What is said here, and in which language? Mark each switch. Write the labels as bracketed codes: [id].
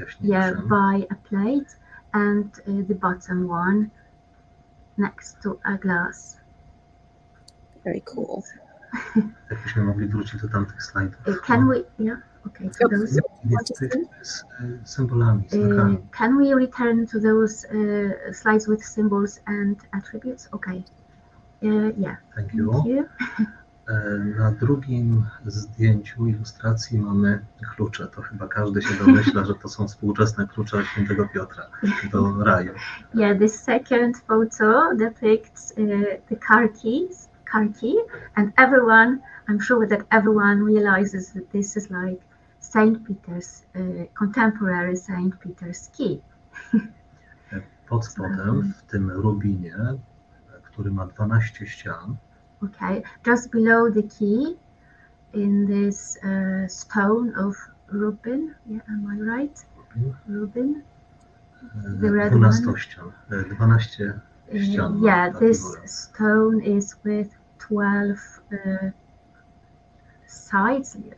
[en] yeah, by a plate, and the bottom one next to a glass. Very cool. [pl] Jakbyśmy mogli wrócić do tamtych slajdów. [en] Can we, yeah, okay, to those. [pl] Z symbolami, z znakami. [en] Can we return to those slides with symbols and attributes? Okay. Yeah. Thank you. [pl] Na drugim zdjęciu ilustracji mamy klucze. To chyba każdy się domyśla, że to są współczesne klucze Świętego Piotra do raju. [en] Yeah, the second photo depicts the car keys. Car key, and everyone, I'm sure that everyone realizes that this is like Saint Peter's, contemporary Saint Peter's key. [pl] Pod spodem, w tym rubinie, który ma 12 ścian. [en] Okay, just below the key, in this stone of rubin, yeah, am I right? [pl] Rubin. [en] The red 12 one. [pl] Ścian. 12 ścian. [en] Yeah, this [pl] góry. [en] Stone is with 12 sides.